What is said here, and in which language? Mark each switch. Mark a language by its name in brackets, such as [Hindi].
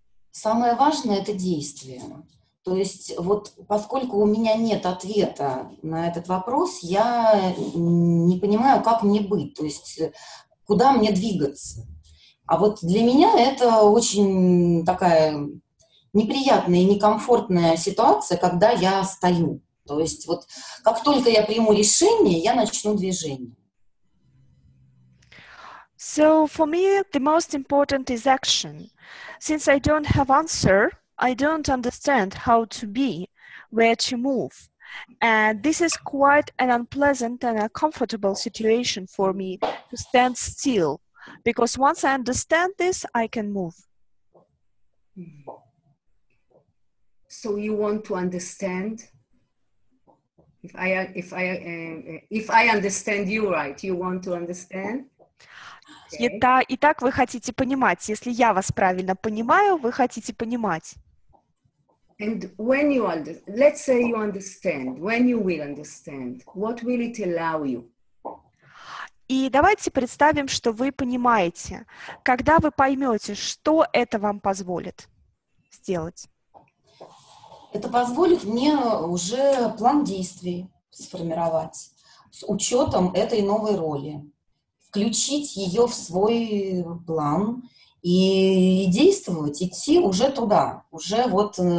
[Russian] Самое важное — это действие. То есть вот поскольку у меня нет ответа на этот вопрос, я не понимаю, как мне быть, то есть куда мне двигаться. А вот для меня это очень такая неприятная и некомфортная ситуация, когда я стою. То есть вот как только я приму решение, я начну движение. [English] So for me the most important is action. Since I don't have answer, I don't understand how to be, where to move. And this is quite an unpleasant and uncomfortable situation for me to stand still. Because once I understand this, I can move. So you want to understand? If I understand you right, you want to understand? Okay. [Russian] Это, итак, вы хотите понимать. Если я вас правильно понимаю, вы хотите понимать. [English] And when you understand, let's say you understand, when you will understand, what will it allow you? [Russian] И давайте представим, что вы понимаете, когда вы поймете, что это вам позволит сделать. Это позволит мне уже план действий сформировать с учетом этой новой роли, включить ее в свой план и действовать, идти уже туда, уже вот